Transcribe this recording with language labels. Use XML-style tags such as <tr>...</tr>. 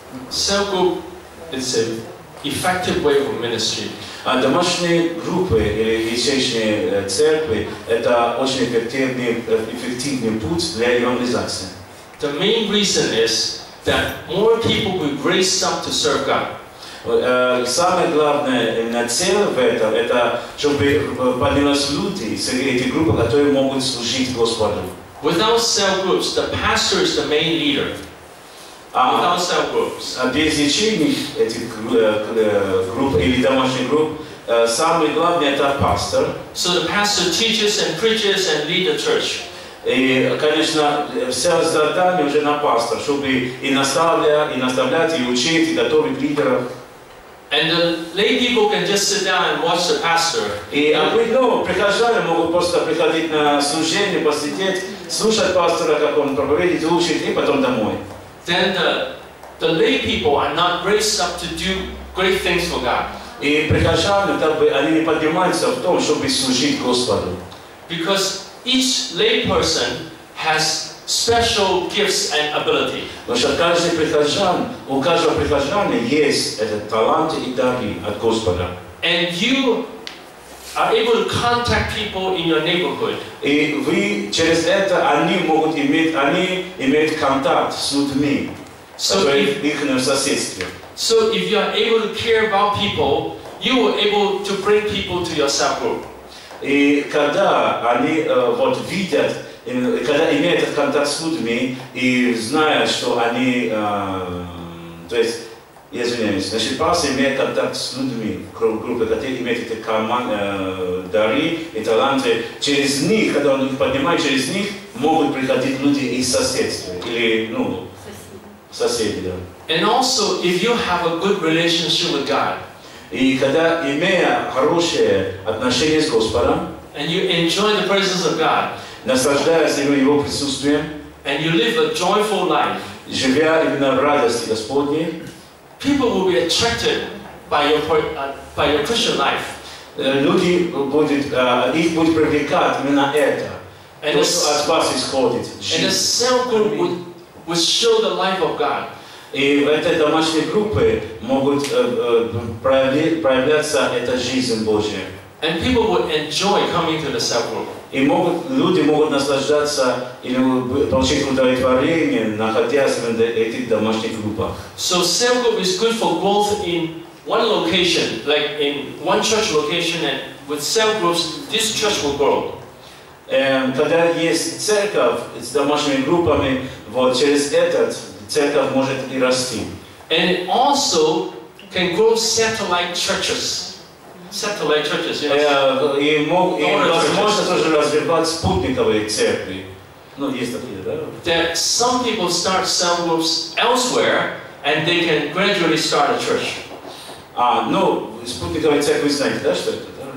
<en>Cell group is an effective way of ministry. And the machine group is a</en> <ru>церкви, это очень эффективный путь для евангелизации.</ru> <en>The main reason is that more people will be raised up to serve God.</en> <ru>Самое главное на цель в этом, это чтобы поднялись люди, эти группы, которые могут служить Господу.</ru> <en>Without cell groups, the pastor is the main leader. Without cell groups.</en> <ru>Без ячеек этих групп или домашних групп, самое главное это пастор.</ru> <en>So the pastor teaches and preaches and leads the church.</en> <ru>И, конечно, все задание уже на пастор, чтобы и наставлять, и учить, и готовить лидеров.</ru> <en>And the lay people can just sit down and watch the pastor.</en> <ru>И прихожане могут просто приходить на служение, посидеть, слушать пастора, как он проповедит, учит, и потом домой.</ru> <en>Then the lay people are not raised up to do great things for God.</en> <ru>И прихожане, так бы, они не поднимаются в том, чтобы служить Господу.</ru> <en>Because each lay person has special gifts and ability.</en> <ru>Потому что каждый прихожан, у каждого прихожана есть этот талант и дары от Господа.</ru> <en>And you are able to contact people in your neighborhood.</en> <ru>И вы через это они могут иметь, они имеют контакт с людьми, их соседстве.</ru> <en>So if you are able to care about people, you are able to bring people to your cell group.</en> <ru>И когда они вот видят, когда имеют этот контакт с людьми и зная, что они, то есть, извиняюсь, значит, пастор имеет контакт с людьми, группы, которые имеют эти дары и таланты, через них, когда он их поднимает, через них могут приходить люди из соседства или, ну, соседи, да.</ru> <en>And also, if you have a good relationship with God,</en> <ru>и когда имея хорошее отношение с Господом,</ru> <en>and you enjoy the presence of God,</en> <ru>наслаждаясь Его присутствием,</ru> <en>and you live a joyful life,</en> <ru>живя именно в радости Господней,</ru> <en>people will be attracted by your Christian life.</en> <ru>Люди будут, их будет привлекать именно это,</ru> <en>and</en> <ru>то, что от вас исходит.</ru> <en>And a cell group would show the life of God.</en> <ru>И в этой домашней группе могут проявляться эта жизнь Божья.</ru> <en>And people would enjoy coming to the cell group.</en> <ru>И могут, люди могут наслаждаться или получить удовлетворение, находясь в этих домашних группах.</ru> <en>So cell group is good for growth in one location, like in one church location, and with cell groups, this church will grow.</en> <ru>Когда есть церковь с домашними группами, вот через этот церковь может и расти.</ru> <en>And it also can grow satellite churches. Satellite churches, yes.</en> <ru>Возможно тоже развивать спутниковые церкви. Ну, есть такие, да?</ru> <en>That some people start cell groups elsewhere, and they can gradually start a church.</en> <ru>Ну, спутниковые церкви, знаете, да, что это?</ru>